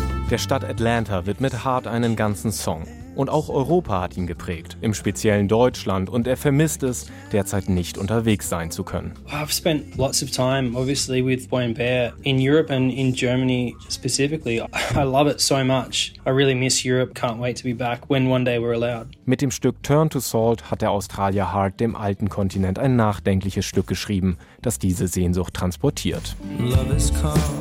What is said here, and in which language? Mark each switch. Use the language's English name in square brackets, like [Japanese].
[German] Der Stadt Atlanta widmet Hart einen ganzen Song. Und auch Europa hat ihn geprägt, im speziellen Deutschland. Und er vermisst es, derzeit nicht unterwegs sein zu können. [English] I've spent lots of time, obviously, with Boy & Bear in Europe and in Germany specifically. I love it so much. I really miss Europe. Can't wait to be back when one day we're allowed. [German] Mit dem Stück Turn to Salt hat der Australier Hart dem alten Kontinent ein nachdenkliches Stück geschrieben, das diese Sehnsucht transportiert. [English] Love is calm.